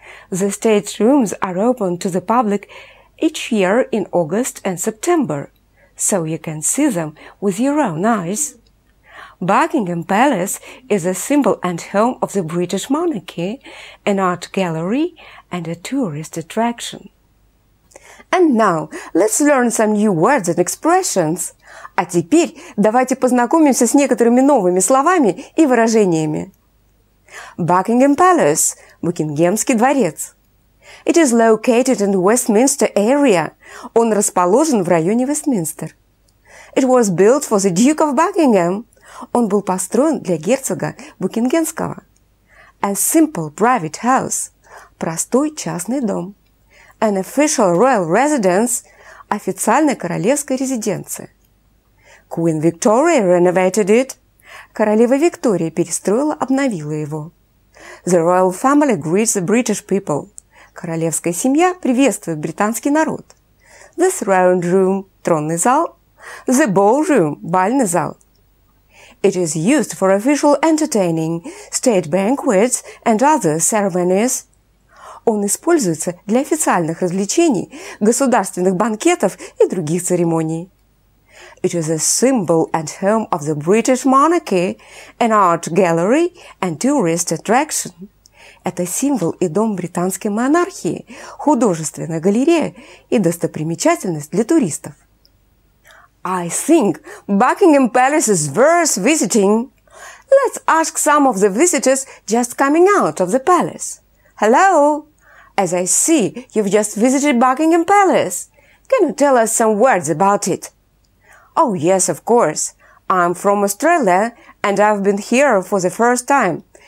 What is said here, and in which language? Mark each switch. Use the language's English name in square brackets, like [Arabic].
[English] The state rooms are open to the public each year in August and September, so you can see them with your own eyes. Buckingham Palace is a symbol and home of the British monarchy, an art gallery and a tourist attraction. And now, let's learn some new words and expressions. [Russian] А теперь давайте познакомимся с некоторыми новыми словами и выражениями. [English] Buckingham Palace – [Russian] Букингемский дворец. [English] It is located in Westminster area. [Russian] Он расположен в районе Вестминстер. [English] It was built for the Duke of Buckingham. [Russian] Он был построен для герцога Букингемского. [English] A simple private house – [Russian] простой частный дом. [English] An official royal residence – [Russian] официальная королевская резиденция. [English] Queen Victoria renovated it. [Russian] Королева Виктория перестроила, обновила его. [English] The royal family greets the British people. [Russian] Королевская семья приветствует британский народ. [English] The throne room – [Russian] тронный зал. [English] The ballroom – [Russian] бальный зал. [English] It is used for official entertaining, state banquets and other ceremonies. [Russian] Он используется для официальных развлечений, государственных банкетов и других церемоний. [English] It is a symbol and home of the British monarchy, an art gallery and tourist attraction. [Russian] Это символ и дом британской монархии, художественная галерея и достопримечательность для туристов. [English] I think Buckingham Palace is worth visiting. Let's ask some of the visitors just coming out of the palace. Hello! As I see, you've just visited Buckingham Palace. Can you tell us some words about it? Oh, yes, of course. I'm from Australia and I've been here for the first time.